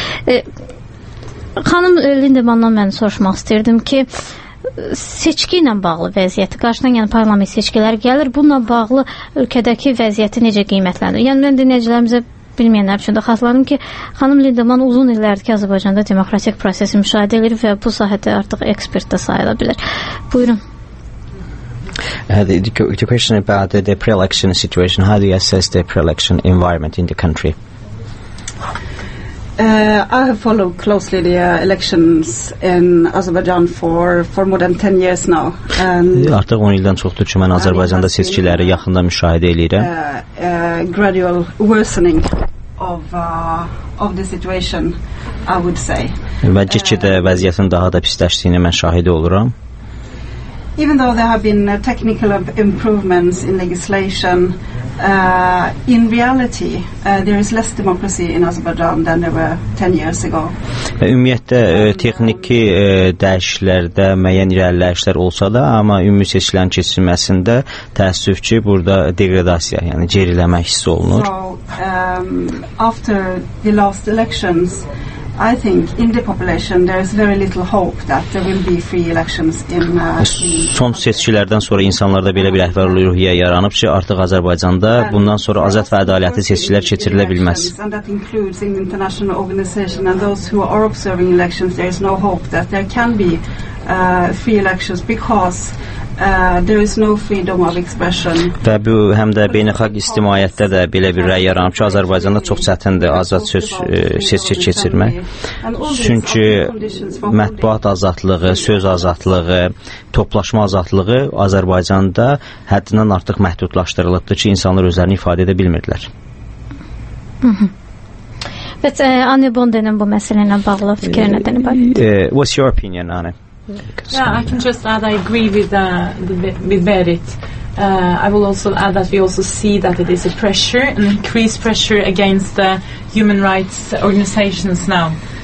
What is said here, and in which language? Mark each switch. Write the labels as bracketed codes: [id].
[az] Xanım Lindemann'dan mən soruşmaq istəyirdim ki, seçki ilə bağlı vəziyyəti, qarşıdan yəni parlament seçkiləri gəlir, bununla bağlı ölkədəki vəziyyəti necə qiymətləndir? Yəni, mən dinləyicilərimizə bilməyənlər üçün də xatırladım ki, xanım Lindemann uzun illərdir ki, Azərbaycanda demokratik prosesi müşahidə edir və bu sahədə artıq ekspert də sayıla bilər. Buyurun. [en] The question about the pre-election situation, how do you assess the pre-election environment in the country? I have followed closely the elections in Azerbaijan for more than 10 years now. [az] Artıq 10 ildən çoxdur ki, mən Azərbaycanda seçkiləri yaxından müşahidə edirəm. [en] Gradual worsening of the situation, I would say. [az] Və getdikcə vəziyyətin daha da pisləşdiyini mən şahid oluram. [en] Even though there have been technical improvements in legislation, in reality, there is less democracy in Azerbaijan than there were 10 years ago. [az] Ümumiyyətlə, texniki dəyişikliklərdə müəyyən irəliləyişlər olsa da, amma ümumi seçkilərin keçirilməsində təəssüf ki, burada deqradasiya, yəni geriləmə hiss olunur. [en] So, after the last elections, I think in the population there is very little hope that there will be free elections in [az] Son seçkilərdən sonra insanlarda belə bir əhval ruhiyyə yaranıb ki, artıq Azərbaycanda bundan sonra azad və ədalətli seçkilər keçirilə bilməz. [en] And that includes in international organizations and those who are observing elections, there is no hope that there can be free elections because there is no freedom of expression. [az] Və bu həm də beynəlxalq ictimaiyyətdə də belə bir rəy yaranıb ki, Azərbaycanda çox çətindir azad söz seçki keçirmək. Çünki mətbuat azadlığı, söz azadlığı, toplaşma azadlığı Azərbaycanda həddindən artıq məhdudlaşdırılıbdır ki, insanlar özlərini ifadə edə bilmirlər. Bəs Anne Bondenin bu məsələ ilə bağlı fikri nədən ibarətdir? [en] What's your opinion, Anne? Yeah, I can just add, I agree with Berit. I will also add that we also see that it is a pressure, an increased pressure against the human rights organizations now.